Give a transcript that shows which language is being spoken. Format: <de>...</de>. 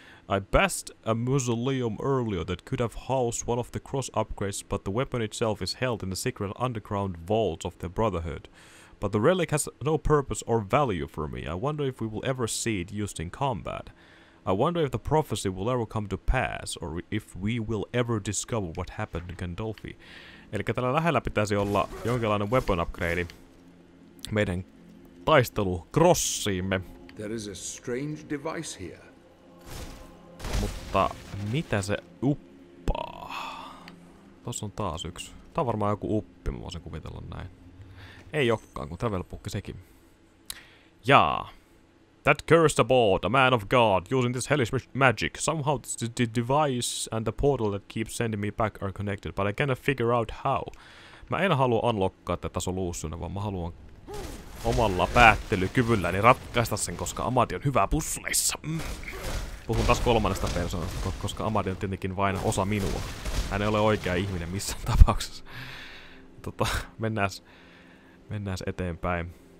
<en>I passed a mausoleum earlier that could have housed one of the cross upgrades, but the weapon itself is held in the secret underground vault of the Brotherhood. But the relic has no purpose or value for me. I wonder if we will ever see it used in combat. I wonder if the prophecy will ever come to pass, or if we will ever discover what happened to Gandolfi.</en> <fi>Elikkä tällä lähellä pitäisi olla jonkinlainen weapon upgrade meidän taistelukrossiimme.</fi> <en>There is a strange device here.</en> <fi>Mutta mitä se uppaa? Tossa on taas yksi. Tää on varmaan joku uppi, mä voisin kuvitella näin. Ei olekaan, kun travel bookki sekin. Jaa.</fi> <en>That cursed abode, a man of God, using this hellish magic. Somehow the device and the portal that keeps sending me back are connected, but I cannot figure out how.</en> <fi>Mä en halua unlockkaa tätä soluussuna, vaan mä haluan omalla päättelykyvylläni ratkaista sen, koska Amadi on hyvä pusleissa. Puhun taas kolmannesta persoonasta, koska Amadi on tietenkin vain osa minua. Hän ei ole oikea ihminen missään tapauksessa. Mennään eteenpäin.</fi>